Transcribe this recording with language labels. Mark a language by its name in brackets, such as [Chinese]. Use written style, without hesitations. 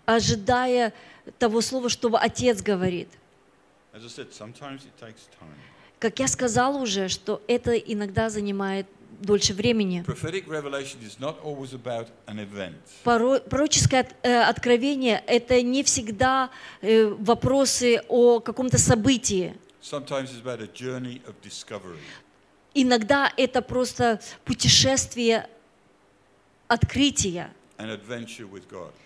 [Russian] Ожидая того слова, что Отец говорит. [English] As I said, sometimes it takes time. [Russian] Как я сказал уже, что это иногда занимает дольше времени. [English] Prophetic revelation is not always about an event. [Russian] Пророческое откровение — это не всегда вопросы о каком-то событии. [English] Sometimes it's about a journey of discovery. [Russian] Иногда это просто путешествие открытия. [English] An adventure with God.